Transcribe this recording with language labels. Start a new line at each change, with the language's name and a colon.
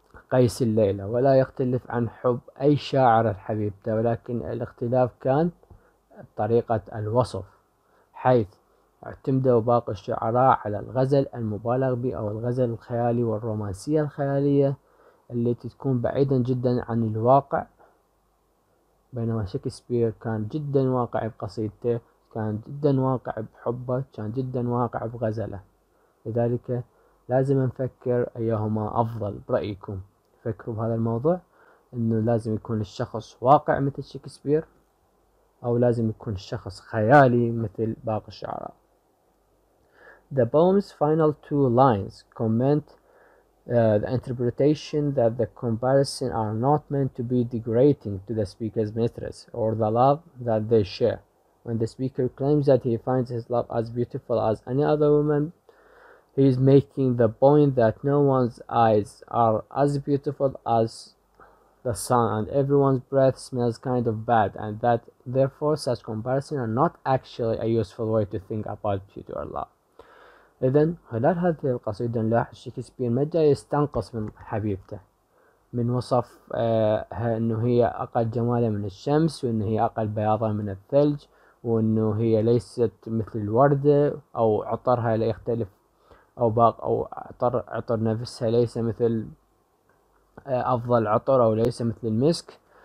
Arabic: قيس الليلة, ولا يختلف عن حب أي شاعر الحبيبته, ولكن الاختلاف كان طريقة الوصف, حيث اعتمدوا باقي الشعراء على الغزل المبالغ به أو الغزل الخيالي والرومانسية الخيالية التي تكون بعيدا جدا عن الواقع, بينما شكسبير كان جدا واقعي بقصيدته, كان جدا واقعي بحبه, كان جدا واقعي بغزله. لذلك لازم نفكر أيهما أفضل برأيكم. فكروا بهذا الموضوع, أنه لازم يكون الشخص واقع مثل شكسبير, أو لازم يكون الشخص خيالي مثل باقي الشعراء.
English: The poem's final two lines comment the interpretation that the comparison are not meant to be degrading to the speaker's mistress or the love that they share. When the speaker claims that he finds his love as beautiful as any other woman, he is making the point that no one's eyes are as beautiful as the sun, and everyone's breath smells kind of bad, and that therefore such comparisons are not actually a useful way to think about beauty or love.
Arabic: إذن خلال هذه القصيدة نلاحظ شكسبير ما جاي يستنقص من حبيبته من وصف أنه هي أقل جمالا من الشمس وأنه هي أقل بياضا من الثلج وأنه هي ليست مثل الوردة أو عطرها لا يختلف أو باق أو عطر نفسها ليس مثل أفضل عطر أو ليس مثل المسك.